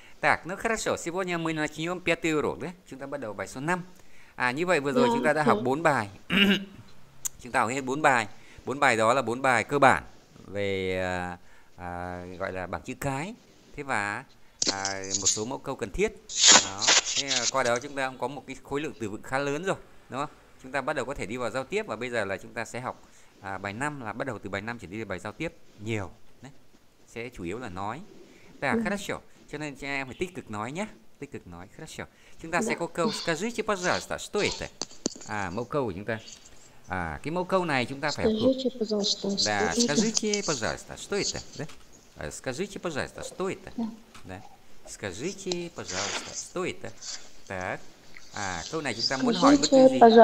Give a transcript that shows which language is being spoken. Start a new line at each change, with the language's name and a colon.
Russian: Так, ну хорошо, сегодня мы начнем пятый урок, да?
Vietnamese: Chúng ta bắt đầu bài số 5. À, như vậy vừa rồi chúng ta đã học 4 bài. Chúng ta học hết 4 bài. 4 bài đó là 4 bài cơ bản về gọi là bảng chữ cái, thế và một số mẫu câu cần thiết đó. Thế qua đó chúng ta cũng có một cái khối lượng từ vựng khá lớn rồi, đúng không? Chúng ta bắt đầu có thể đi vào giao tiếp, và bây giờ là chúng ta sẽ học bài 5, là bắt đầu từ bài 5 chuyển đi về bài giao tiếp nhiều đấy, sẽ chủ yếu là nói. Là khá sure, cho nên cho em phải tích cực nói nhé, tích cực nói khá sure. Chúng ta sẽ có câu
Russian: скажите, пожалуйста, что это?
Vietnamese: À, mẫu câu của chúng ta. À, cái mẫu câu này chúng ta phải học thuộc.
Russian: Да, скажите, пожалуйста, что это? Да? Скажите, пожалуйста, что это? Да? Скажите, пожалуйста, что это? Так.
Vietnamese: À, câu này chúng ta muốn hỏi bất cứ gì.